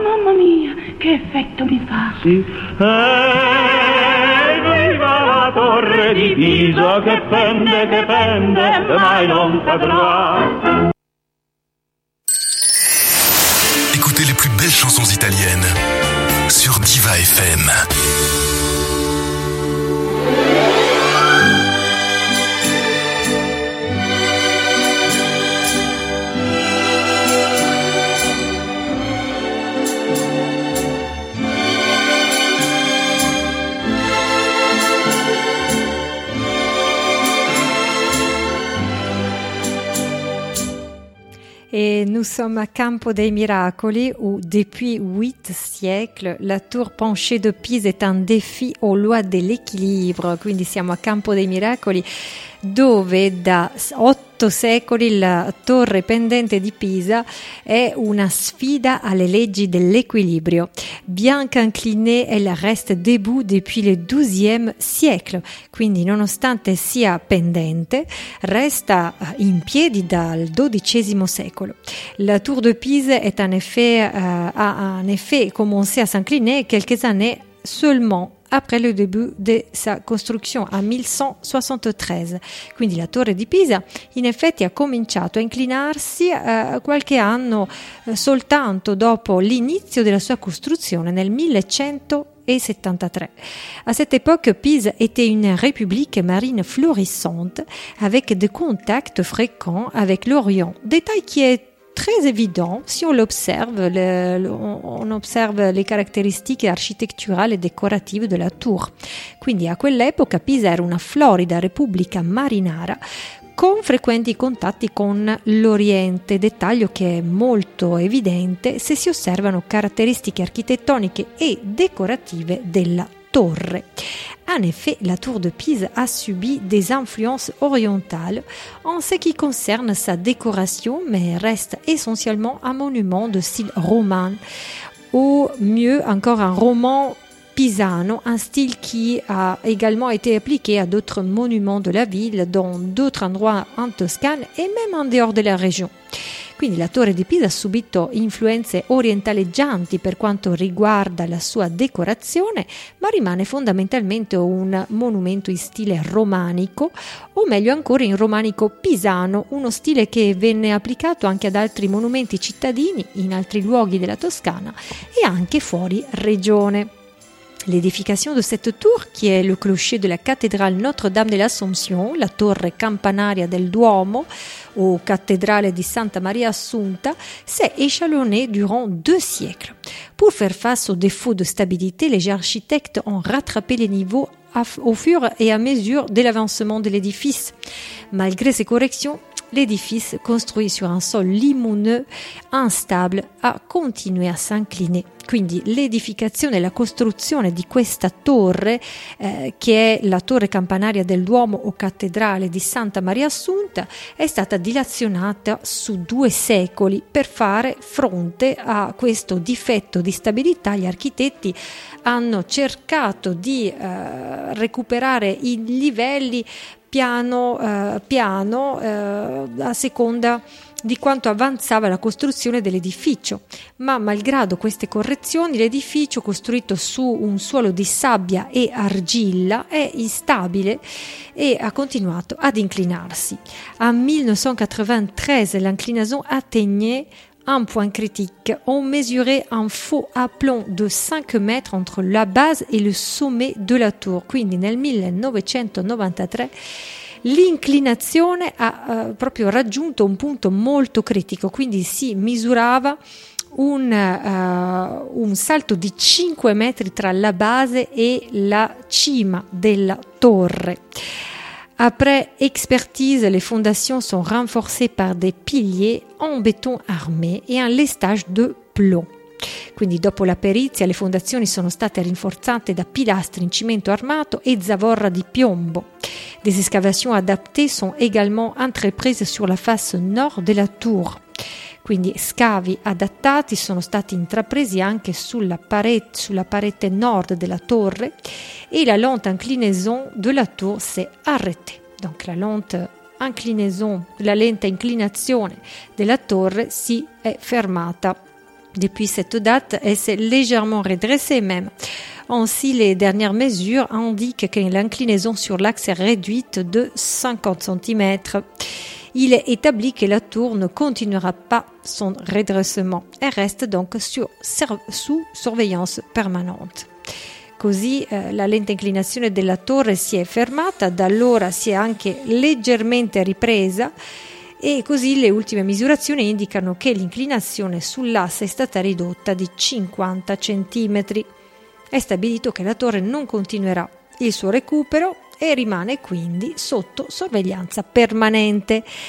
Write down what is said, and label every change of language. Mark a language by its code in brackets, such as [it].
[it] mamma mia, che effetto mi fa! Sì. Viva la torre di Pisa che pende, mai non cadrà. [fr] Écoutez les plus belles chansons italiennes sur Diva FM. Et nous sommes à Campo dei Miracoli, où depuis 8 siècles, la tour penchée de Pise est un défi aux lois de l'équilibre. [it] Quindi siamo a Campo dei Miracoli, dove da 8 secoli la torre pendente di Pisa è una sfida alle leggi dell'equilibrio. [fr] Bien qu'inclinée, elle reste debout depuis le 12e siècle. [it] Quindi nonostante sia pendente, resta in piedi dal 12e secolo. [fr] La tour de Pise est en effet, a en effet commencé à s'incliner quelques années seulement après le début de sa construction, a 1173. [it] Quindi la torre di Pisa in effetti ha cominciato a inclinarsi qualche anno soltanto dopo l'inizio della sua costruzione, nel 1173. [fr] À cette époque, Pise était une république marine florissante avec des contacts fréquents avec l'Orient. Détail qui est très évident si on l'observe, on observe les caractéristiques architecturales et décoratives de la tour. [it] Quindi à quell'epoca Pisa era una florida repubblica marinara con frequenti contatti con l'Oriente, dettaglio che è molto evidente se si osservano caratteristiche architettoniche e decorative della torre. [fr] En effet, la tour de Pise a subi des influences orientales en ce qui concerne sa décoration, mais reste essentiellement un monument de style roman, ou mieux encore un roman pisano, un style qui a également été appliqué à d'autres monuments de la ville, dont d'autres endroits en Toscane et même en dehors de la région. [it] Quindi la torre di Pisa ha subito influenze orientaleggianti per quanto riguarda la sua decorazione, ma rimane fondamentalmente un monumento in stile romanico, o meglio ancora in romanico pisano, uno stile che venne applicato anche ad altri monumenti cittadini in altri luoghi della Toscana e anche fuori regione. [fr] L'édification de cette tour, qui est le clocher de la cathédrale Notre-Dame de l'Assomption, [it] la torre campanaria del Duomo, [fr] ou cathédrale di Santa Maria Assunta, s'est échelonnée durant 2 siècles. Pour faire face aux défauts de stabilité, les architectes ont rattrapé les niveaux au fur et à mesure de l'avancement de l'édifice. Malgré ces corrections, l'édifice, construit sur un sol limoneux, instable, a continué à s'incliner. [it] Quindi l'edificazione e la costruzione di questa torre, che è la torre campanaria del Duomo o cattedrale di Santa Maria Assunta, è stata dilazionata su 2 secoli per fare fronte a questo difetto di stabilità. Gli architetti hanno cercato di recuperare i livelli piano, a seconda di quanto avanzava la costruzione dell'edificio, ma malgrado queste correzioni l'edificio, costruito su un suolo di sabbia e argilla, è instabile e ha continuato ad inclinarsi. [fr] A 1993 l'inclinazione atteignait un point critique. On mesurait un faux aplomb de 5 mètres entre la base et le sommet de la tour. [it] Quindi nel 1993 l'inclinazione ha proprio raggiunto un punto molto critico, quindi si misurava un salto di 5 metri tra la base e la cima della torre. [fr] Après expertise, les fondations sont renforcées par des piliers en béton armé et un lestage de plomb. [it] Quindi dopo la perizia le fondazioni sono state rinforzate da pilastri in cemento armato e zavorra di piombo. [fr] Des escavations adaptées sont également entreprises sur la face nord de la tour. [it] Quindi scavi adattati sono stati intrapresi anche sulla parete nord della torre e [fr] la lente inclinaison de la tour s'est arrêtée. Donc la lente inclinaison, [it] la lente inclinazione della torre si è fermata. [fr] Depuis cette date, elle s'est légèrement redressée même. Ainsi, les dernières mesures indiquent que l'inclinaison sur l'axe est réduite de 50 cm. Il est établi que la tour ne continuera pas son redressement. Elle reste donc sous surveillance permanente. [it] Così la lente inclinazione della torre si è fermata, da allora si è anche leggermente ripresa. E così le ultime misurazioni indicano che l'inclinazione sull'asse è stata ridotta di 50 cm. È stabilito che la torre non continuerà il suo recupero e rimane quindi sotto sorveglianza permanente.